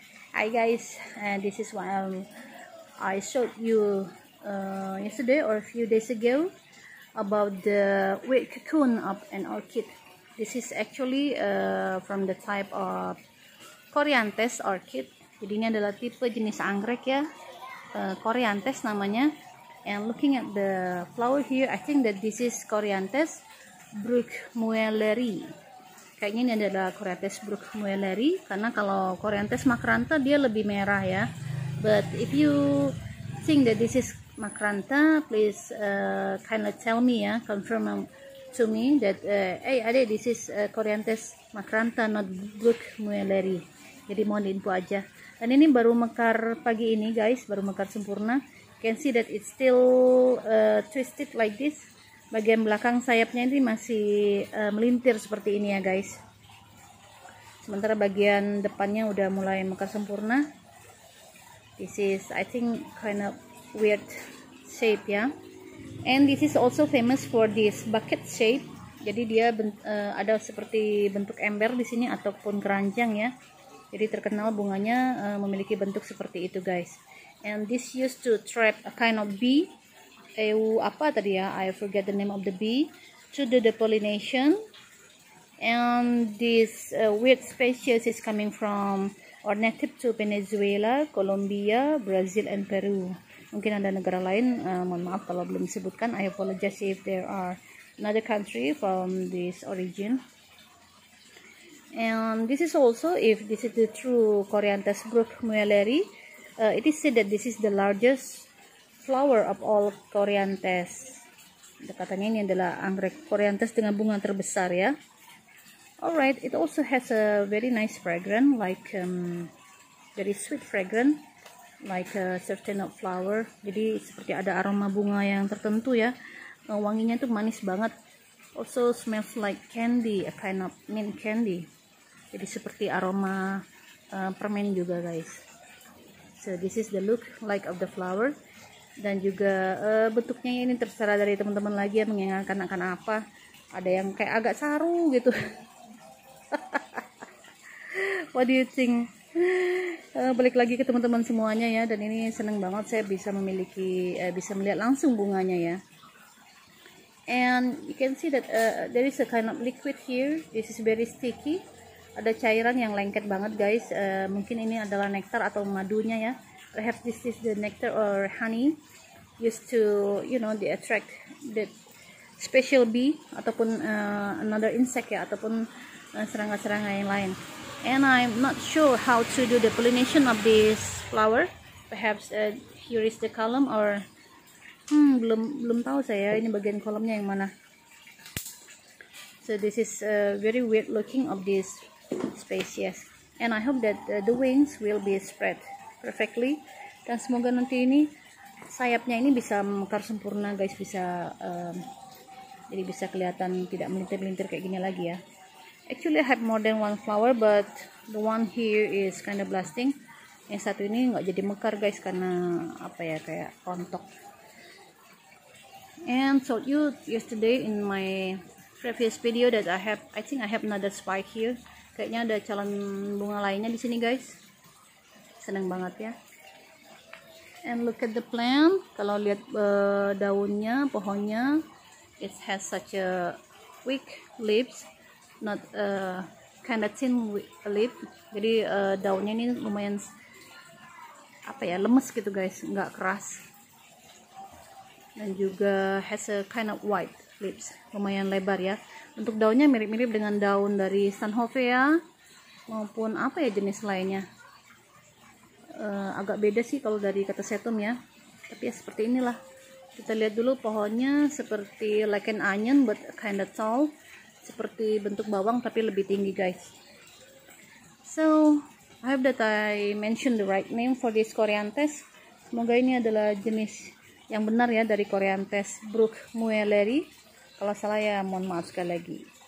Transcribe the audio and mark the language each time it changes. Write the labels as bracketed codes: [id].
[en] Hi guys, this is why I showed you yesterday or a few days ago about the weird cocoon of an orchid. This is actually from the type of Coriantes orchid. [id] Jadi ini adalah tipe jenis anggrek ya, Coriantes namanya. [en] And looking at the flower here, I think that this is Coriantes Bruckmuelleri. [id] Kayaknya ini adalah Coriantes Bruckmuelleri, karena kalau Coriantes macrantha dia lebih merah ya. [en] But if you think that this is macrantha, please kindly tell me ya, confirm to me that hey Ade, this is Coriantes macrantha, not Bruckmuelleri. [id] Jadi mohon diinfo aja. Dan ini baru mekar pagi ini guys, baru mekar sempurna. [en] Can see that it's still twisted like this. [id] Bagian belakang sayapnya ini masih melintir seperti ini ya guys. Sementara bagian depannya udah mulai mekar sempurna. [en] This is I think kind of weird shape ya. And this is also famous for this bucket shape. [id] Jadi dia ada seperti bentuk ember di sini ataupun keranjang ya. Jadi terkenal bunganya memiliki bentuk seperti itu guys. [en] And this used to trap a kind of bee. I forget the name of the bee, to do the pollination. And this weird species is coming from or native to Venezuela, Colombia, Brazil, and Peru. [id] Mungkin ada negara lain, mohon maaf kalau belum disebutkan. [en] I apologize if there are another country from this origin. And this is also, if this is the true Coriantes Bruckmuelleri, it is said that this is the largest flower of all Coriantes. [id] Katanya ini adalah anggrek Coriantes dengan bunga terbesar ya. [en] Alright, it also has a very nice fragrance, like very sweet fragrance, like a certain of flower. [id] Jadi seperti ada aroma bunga yang tertentu ya. Wanginya tuh manis banget. [en] Also smells like candy, a kind of mint candy. [id] Jadi seperti aroma permen juga guys. [en] So this is the look like of the flower. [id] Dan juga bentuknya ini terserah dari teman-teman lagi ya, mengingatkan akan apa. Ada yang kayak agak saru gitu. [en] What do you think? [id] Balik lagi ke teman-teman semuanya ya. Dan ini seneng banget saya bisa memiliki, bisa melihat langsung bunganya ya. [en] And you can see that there is a kind of liquid here. This is very sticky. [id] Ada cairan yang lengket banget guys. Mungkin ini adalah nektar atau madunya ya. [en] Perhaps this is the nectar or honey used to, you know, they attract the special bee ataupun another insect ya, [id] ataupun serangga-serangga yang lain. [en] And I'm not sure how to do the pollination of this flower. Perhaps here is the column or [id] belum tahu saya ini bagian kolomnya yang mana. [en] So this is very weird looking of this species. And I hope that the wings will be spread perfectly, [id] dan semoga nanti ini sayapnya ini bisa mekar sempurna guys, bisa jadi bisa kelihatan tidak melintir-lintir kayak gini lagi ya. [en] Actually I have more than one flower, but the one here is kind of blasting. [id] Yang satu ini nggak jadi mekar guys, karena apa ya, kayak rontok. [en] And so you yesterday in my previous video that I think I have another spike here. [id] Kayaknya ada calon bunga lainnya di sini guys. Seneng banget ya. [en] And look at the plant. [id] Kalau lihat daunnya, pohonnya, [en] it has such a weak leaves, not a kind of thin leaf. [id] Jadi daunnya ini lumayan apa ya, lemes gitu guys, nggak keras. Dan juga [en] has a kind of wide leaves, [id] lumayan lebar ya. Untuk daunnya mirip-mirip dengan daun dari Sanhovea maupun apa ya jenis lainnya. Agak beda sih kalau dari kata setum ya, tapi ya seperti inilah. Kita lihat dulu pohonnya, seperti [en] like an onion but kind of tall, [id] seperti bentuk bawang tapi lebih tinggi guys. [en] So I hope that I mentioned the right name for this Coriantes. [id] Semoga ini adalah jenis yang benar ya, dari Coriantes Bruckmuelleri. Kalau salah ya mohon maaf sekali lagi.